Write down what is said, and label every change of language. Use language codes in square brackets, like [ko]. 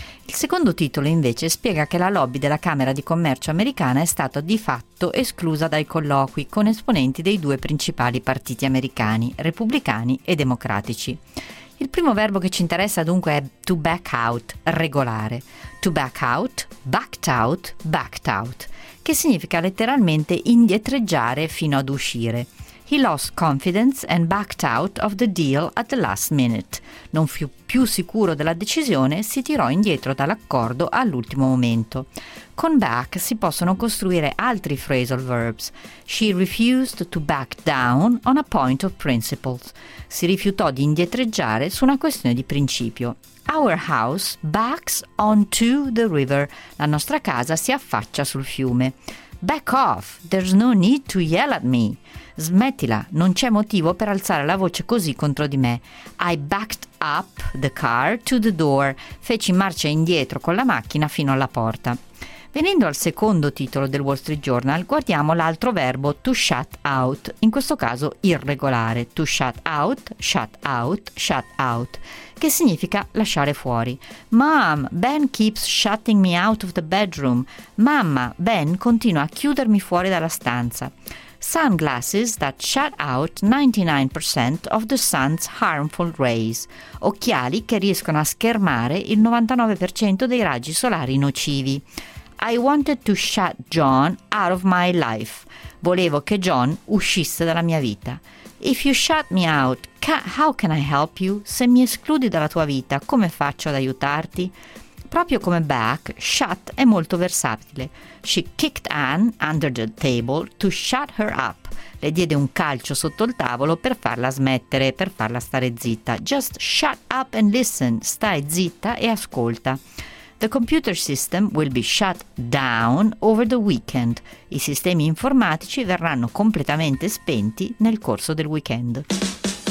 [it] Il secondo titolo invece spiega che la lobby della Camera di Commercio americana è stata di fatto esclusa dai colloqui con esponenti dei due principali partiti americani, repubblicani e democratici. Il primo verbo che ci interessa dunque è to back out, regolare. [en] To back out, backed out, [it] backed out, che significa letteralmente indietreggiare fino ad uscire. [en] He lost confidence and backed out of the deal at the last minute. [it] Non fu più sicuro della decisione, si tirò indietro dall'accordo all'ultimo momento. Con back si possono costruire altri phrasal verbs. [en] She refused to back down on a point of principles. [it] Si rifiutò di indietreggiare su una questione di principio. [en] Our house backs onto the river. [it] La nostra casa si affaccia sul fiume. [en] Back off, there's no need to yell at me. [it] Smettila, non c'è motivo per alzare la voce così contro di me. [en] I backed up the car to the door. [it] Feci marcia indietro con la macchina fino alla porta. Venendo al secondo titolo del Wall Street Journal, guardiamo l'altro verbo to shut out, in questo caso irregolare. [en] To shut out, shut out, shut out, [it] che significa lasciare fuori. [en] Mom, Ben keeps shutting me out of the bedroom. [it] Mamma, Ben continua a chiudermi fuori dalla stanza. [en] Sunglasses that shut out 99% of the sun's harmful rays. [it] Occhiali che riescono a schermare il 99% dei raggi solari nocivi. [en] I wanted to shut John out of my life. [it] Volevo che John uscisse dalla mia vita. [en] If you shut me out, how can I help you? [it] Se mi escludi dalla tua vita, come faccio ad aiutarti? Proprio come back, shut è molto versatile. [en] She kicked Anne under the table to shut her up. [it] Le diede un calcio sotto il tavolo per farla smettere, per farla stare zitta. [en] Just shut up and listen. [it] Stai zitta e ascolta. [en] The computer system will be shut down over the weekend. [it] I sistemi informatici verranno completamente spenti nel corso del weekend.